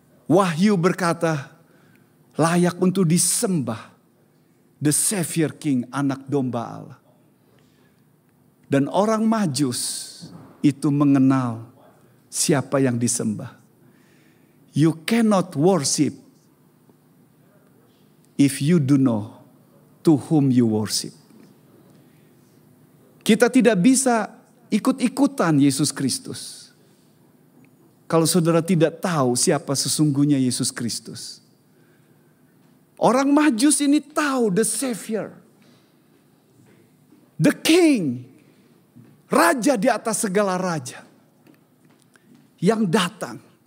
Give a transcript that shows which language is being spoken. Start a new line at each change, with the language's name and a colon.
Indonesian: Wahyu berkata layak untuk disembah.
English: The Savior King,
Indonesian: anak domba Allah. Dan orang Majus itu mengenal siapa yang disembah.
English: You cannot worship if you do know to whom you worship.
Indonesian: Kita tidak bisa ikut-ikutan Yesus Kristus kalau saudara tidak tahu siapa sesungguhnya Yesus Kristus. Orang Majus ini tahu
English: the Savior, the King,
Indonesian: raja di atas segala raja yang datang.